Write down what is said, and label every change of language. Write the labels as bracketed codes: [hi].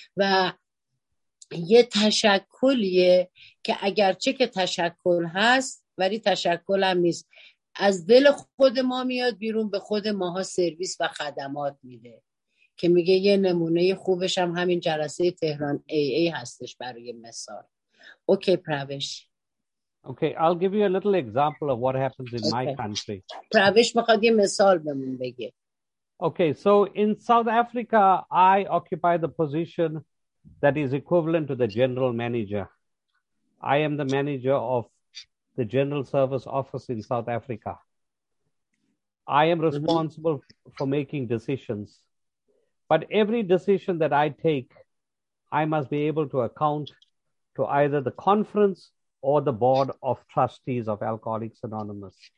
[fa] و یه تشکلیه که اگرچه که تشکل هست ولی تشکل هم نیست، از دل خود ما میاد بیرون به خود ماها سرویس و خدمات میده. که میگه یه نمونه خوبش هم همین جلسه تهران AA هستش برای مثال. اوکی پروش. [en] Okay I'll give you a little example of what happens in my country. [fa] پروش میخواد یه مثال بمون بگه. [en] Okay, so in South Africa, I occupy the position that is equivalent to the general manager. I am the manager of the general service office in South Africa. I am responsible for making decisions. But every decision that I take, I must be able to account to either the conference or the board of trustees of Alcoholics Anonymous.